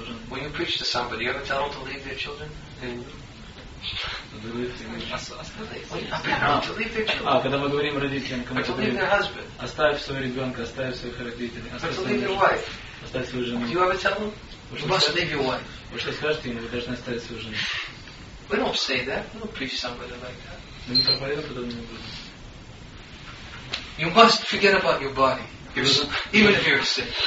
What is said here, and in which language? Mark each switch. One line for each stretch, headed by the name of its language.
English: When you preach to somebody, you ever tell them to leave their children? To leave their children.
Russian: Когда мы говорим родителям, кому
English: to leave their husband.
Russian: Оставь своего ребенка, оставь своих родителей.
English: To leave your wife.
Russian: Оставь свою жену.
English: Do you ever tell them? You must leave your wife.
Russian: Вы что скажете им, вы должны оставить свою жену.
English: We don't say that. We don't preach somebody like that.
Russian: Мы не проповедуем подобные вещи.
English: You must forget about your body, even if you're sick.